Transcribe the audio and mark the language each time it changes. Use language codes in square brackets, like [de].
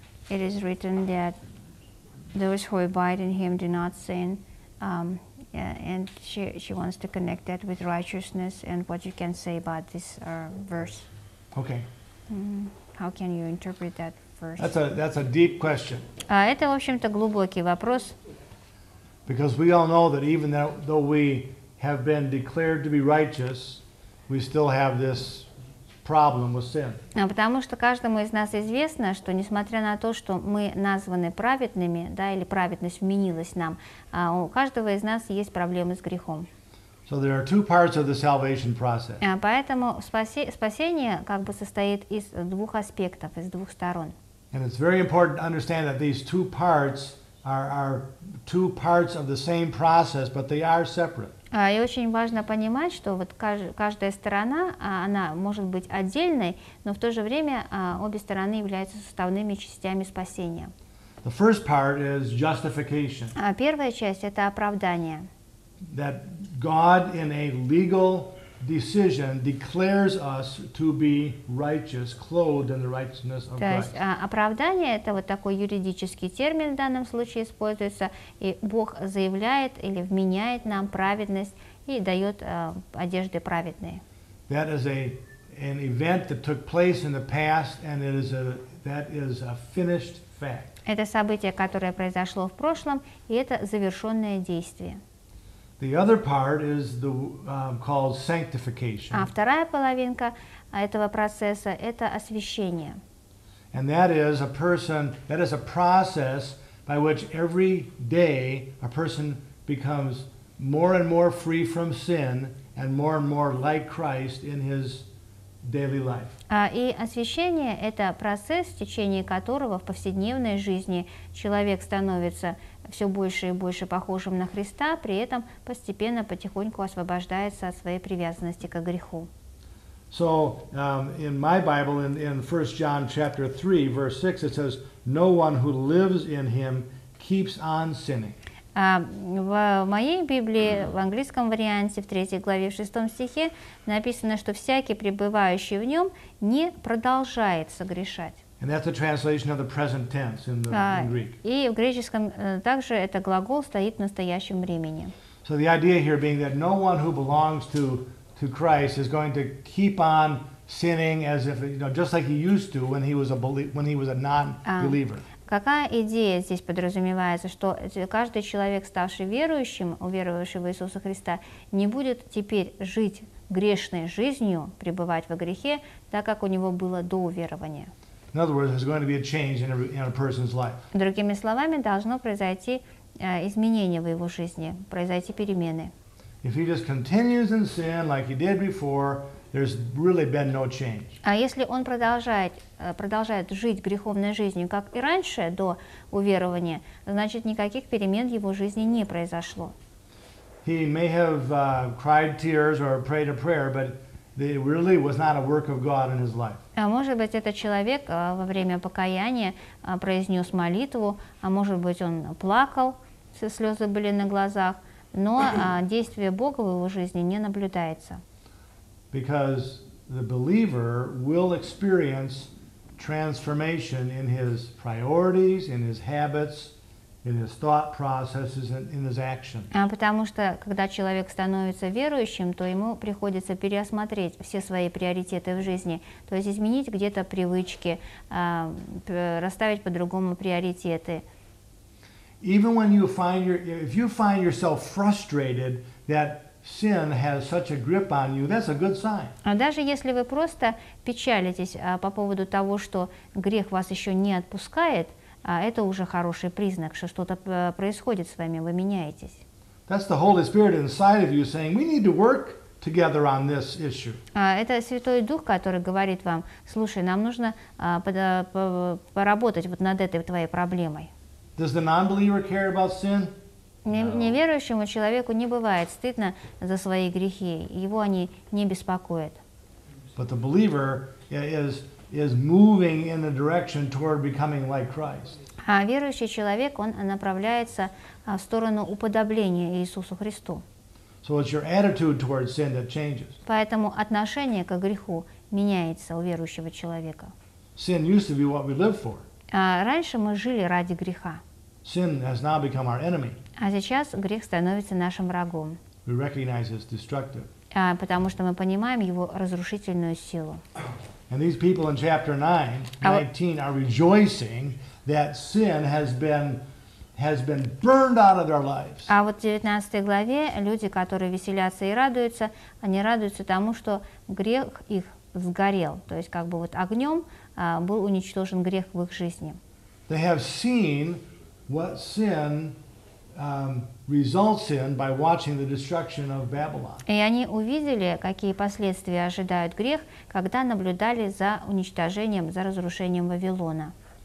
[en] It is written that those who abide in him do not sin. And she wants to connect that with righteousness and what you can say about this verse. Okay. How can you interpret that verse? That's a deep question. [ru] Это, в общем-то, глубокий вопрос. [en] Because we all know that even though we have been declared to be righteous, we still have this problem with sin. [ru] Потому что каждому из нас известно, что несмотря на то, что мы названы праведными, да, или праведность вменилась нам, у каждого из нас есть проблемы с грехом. [en] So there are two parts of the salvation process. [ru] Поэтому спасение как бы состоит из двух аспектов, из двух сторон. [en] And it's very important to understand that these two parts are two parts of the same process, but they are separate. [ru] И очень важно понимать, что вот каждая сторона, она может быть отдельной, но в то же время обе стороны являются составными частями спасения. [en] The first part is justification. [ru] Первая часть — это оправдание. [en] That God in a legal decision declares us to be righteous, clothed in the righteousness of Christ. [ru] То есть оправдание — это вот такой юридический термин в данном случае используется, и Бог заявляет или вменяет нам праведность и дает одежды праведные. [en] That is an event that took place in the past, and that is a finished fact. [ru] Это событие, которое произошло в прошлом, и это завершенное действие. [en] The other part is the called sanctification. [ru] Вторая половинка этого процесса — это освящение. [en] And that is a process by which every day a person becomes more and more free from sin and more like Christ in his daily life. [ru] И освящение — это процесс, в течение которого в повседневной жизни человек становится все больше и больше похожим на Христа, при этом постепенно, потихоньку освобождается от своей привязанности к греху. [en] So, in my Bible, in 1 John chapter 3, verse 6, it says, no one who lives in him keeps on sinning. [ru] В моей Библии, в английском варианте, в 3 главе, в 6 стихе, написано, что всякий, пребывающий в нем, не продолжает согрешать. [en] And that's a translation of the present tense in Greek. [ru] И в греческом также это глагол стоит в настоящем времени. [en] So the idea here being that no one who belongs to Christ is going to keep on sinning as if, you know, just like he used to when he was a non-believer. [ru] Какая идея здесь подразумевается, что каждый человек, ставший верующим, уверовавший в Иисуса Христа, не будет теперь жить грешной жизнью, пребывать во грехе, так как у него было до уверования. [en] In other words, there's going to be a change in a person's life. [ru] Другими словами, должно произойти изменение в его жизни, произойти перемены. [en] If he just continues in sin like he did before, there's really been no change. [ru] А если он продолжает жить греховной жизнью, как и раньше, до уверования, значит, никаких перемен в его жизни не произошло. [en] He may have cried tears or prayed a prayer, but it really was not a work of God in his life. [ru] А может быть, этот человек во время покаяния произнес молитву, а может быть, он плакал, все слезы были на глазах, но действие Бога в его жизни не наблюдается. [en] Because the believer will experience transformation in his priorities, in his habits, in his thought processes and in his actions. [ru] Потому что когда человек становится верующим, то ему приходится переосмотреть все свои приоритеты в жизни, то есть изменить где-то привычки, расставить по-другому приоритеты. [en] Even when you find if you find yourself frustrated that sin has such a grip on you, that's a good sign. [ru] Даже если вы просто печалитесь по поводу того, что грех вас еще не отпускает, это уже хороший признак, что что-то происходит с вами, вы меняетесь. [en] That's the Holy Spirit inside of you saying, we need to work together on this issue. [ru] Это Святой Дух, который говорит вам, слушай, нам нужно поработать вот над этой твоей проблемой. [en] Does the non-believer care about sin? [ru] Неверующему человеку не бывает стыдно за свои грехи, его они не беспокоят. [en] But the believer is moving in the direction toward becoming like Christ. [ru] А верующий человек, он направляется в сторону уподобления Иисусу Христу. [en] So it's your attitude towards sin that changes. [ru] Поэтому отношение к греху меняется у верующего человека. [en] Sin used to be what we lived for. [ru] Раньше мы жили ради греха. [en] Sin has now become our enemy. [ru] А сейчас грех становится нашим врагом. [en] We recognize it's destructive. [ru] Потому что мы понимаем его разрушительную силу. [en] And these people in chapter 19 are rejoicing that sin has been burned out of their lives. [ru] А вот в 19 главе люди, которые веселятся и радуются, они радуются тому, что грех их сгорел. То есть как бы вот огнем был уничтожен грех в их жизни. [en] They have seen what sin results in by watching the destruction of Babylon. [ru] И они увидели, какие последствия ожидают грех, когда наблюдали за уничтожением, за разрушением Вавилона.